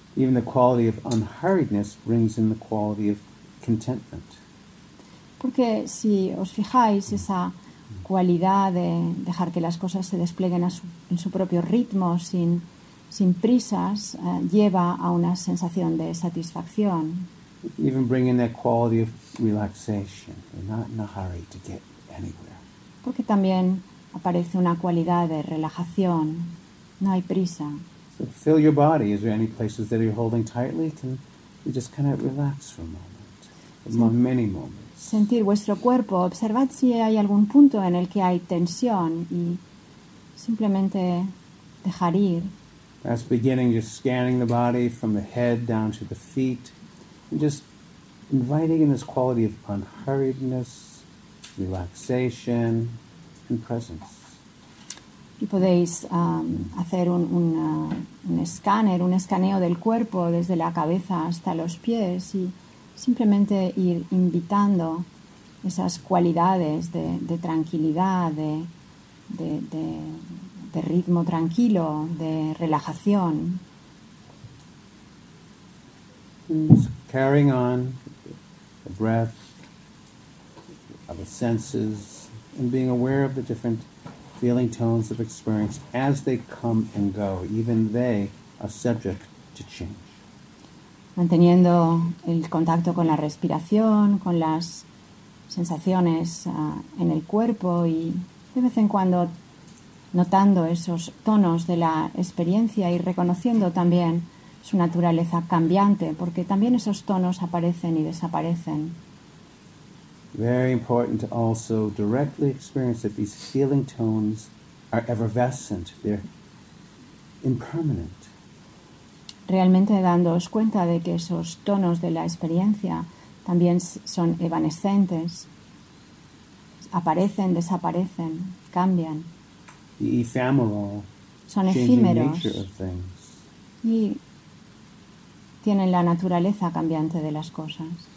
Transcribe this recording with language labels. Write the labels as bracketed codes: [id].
[en] Even the quality of unhurriedness brings in the quality of contentment. [es] Porque si os fijáis, esa cualidad de dejar que las cosas se desplieguen en su propio ritmo, sin prisas, lleva a una sensación de satisfacción. [en] Even bring in that quality of relaxation. We're not in a hurry to get anywhere. [es] Porque también aparece una cualidad de relajación. No hay prisa. [en] So fill your body. Is there any places that you're holding tightly? Can you just kind of relax for a moment? Many moments. [es] Sentir vuestro cuerpo. Observad si hay algún punto en el que hay tensión y simplemente dejar ir. [en] That's beginning just scanning the body from the head down to the feet and just inviting in this quality of unhurriedness, relaxation, and presence. [es] Y podéis hacer un escáner, un escaneo del cuerpo desde la cabeza hasta los pies y simplemente ir invitando esas cualidades de tranquilidad, de ritmo tranquilo, de relajación. [en] Carrying on the breath, of the senses, and being aware of the different feeling tones of experience as they come and go. Even they are subject to change. [es] Manteniendo el contacto con la respiración, con las sensaciones en el cuerpo y de vez en cuando notando esos tonos de la experiencia y reconociendo también su naturaleza cambiante, porque también esos tonos aparecen y desaparecen. [en] Very important to also directly experience that these feeling tones are effervescent, they're impermanent. [es] Realmente dándoos cuenta de que esos tonos de la experiencia también son evanescentes, aparecen, desaparecen, cambian. [en] The ephemeral, [es] son efímeros [en] nature of things. [es] Y tienen la naturaleza cambiante de las cosas.